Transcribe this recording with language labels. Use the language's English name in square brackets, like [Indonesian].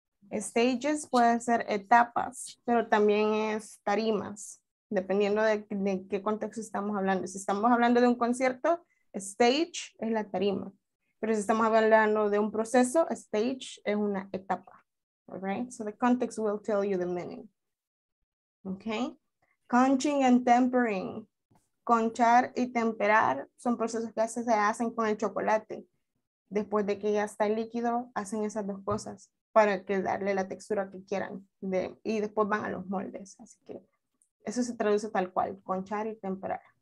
[Spanish] Stages puede ser etapas, pero también es tarimas, dependiendo de qué contexto estamos hablando. Si estamos hablando de un concierto, stage es la tarima. Pero si estamos hablando de un proceso, stage es una etapa. [English] All right? So the context will tell you the meaning. Okay? Conching and tempering. [Spanish] Conchar y temperar son procesos que se hacen con el chocolate. Después de que ya está el líquido, hacen esas dos cosas para que darle la textura que quieran. Y después van a los moldes. Así que eso se traduce tal cual, conchar y temperar.